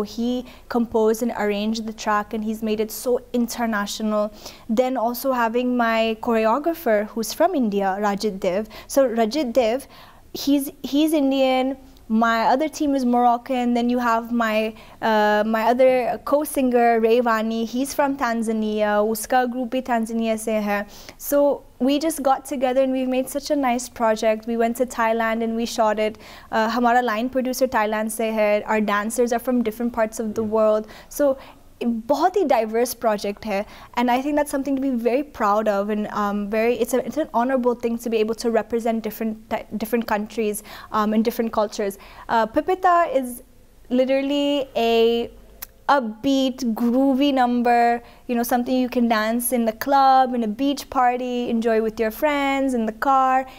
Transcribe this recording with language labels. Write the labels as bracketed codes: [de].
[en] He composed and arranged the track and he's made it so international. Then also having my choreographer who's from India, Rajit Dev. So Rajit Dev, he's Indian. My other team is Moroccan. Then you have my my other co-singer, Ray Vani. He's from Tanzania. [hi] उसका group भी Tanzania से है. [en] So we just got together and we've made such a nice project. We went to Thailand and we shot it. [hi] हमारा line producer Thailand से है. [en] Our dancers are from different parts of the world. [hi] So बहुत ही diverse project है. [en] And I think that's something to be very proud of. And it's an honorable thing to be able to represent different countries and different cultures. Pipita is literally a upbeat, groovy number, you know, something you can dance in the club, in a beach party, enjoy with your friends, in the car.